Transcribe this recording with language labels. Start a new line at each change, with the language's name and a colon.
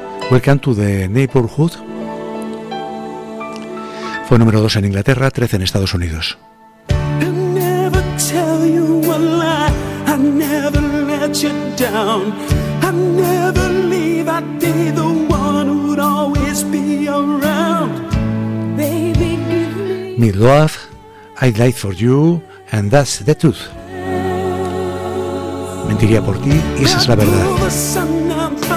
English: Welcome to the Neighborhood.
Spanish: Fue número 2 en Inglaterra, 13 en Estados Unidos.
English: I never tell you a lie. I never let you down. I never leave that day the one who'd always be around. Baby, me love, I'd lie for you, and that's the truth.
Spanish: Mentiría por ti y esa es la verdad.